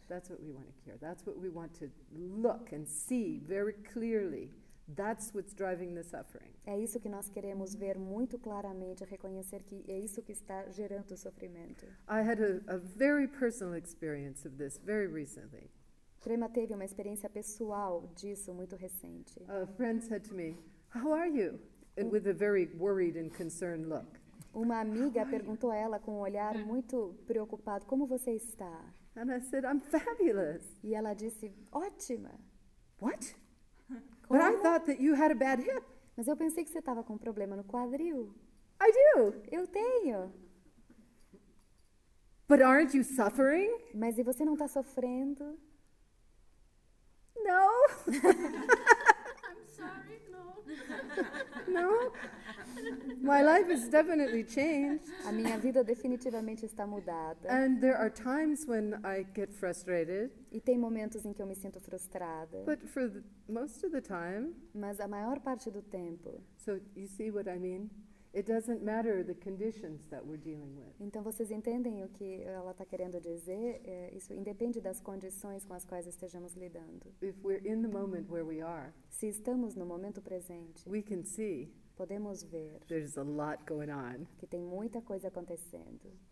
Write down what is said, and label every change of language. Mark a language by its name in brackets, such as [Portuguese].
[English] That's what we want to cure. That's what we want to look and see very clearly. That's what's driving the suffering. [Portuguese] É isso que nós queremos ver muito claramente, reconhecer que é isso que está gerando o sofrimento. [English] I had a very personal experience of this very recently. [Portuguese] Prema teve uma experiência pessoal disso muito recente. [English] A friend said to me, "How are you?" And with a very worried and concerned look. [Portuguese] Uma amiga perguntou a ela com um olhar muito preocupado, como você está? [English] And I said, I'm fabulous. [Portuguese] E ela disse, ótima. [English] What? [Portuguese] Como? [English] But I thought that you had a bad hip. [Portuguese] Mas eu pensei que você estava com um problema no quadril. [English] I do. [Portuguese] Eu tenho. [English] But aren't you suffering? [Portuguese] Mas e você não está sofrendo? [English] No. I'm sorry, no. No. My life has definitely changed. [Portuguese] A minha vida definitivamente está mudada. [English] And there are times when I get frustrated. [Portuguese] E tem momentos em que eu me sinto frustrada. [English] But for the, most of the time. [Portuguese] Mas a maior parte do tempo. [English] So you see what I mean? It doesn't matter the conditions that we're dealing with. [Portuguese] Então vocês entendem o que ela está querendo dizer? É, isso independe das condições com as quais estejamos lidando. [English] If we're in the moment where we are. [Portuguese] Se estamos no momento presente. [English] We can see. [Portuguese] Podemos ver. [English] There's a lot going on. [Portuguese] Que tem muita coisa acontecendo.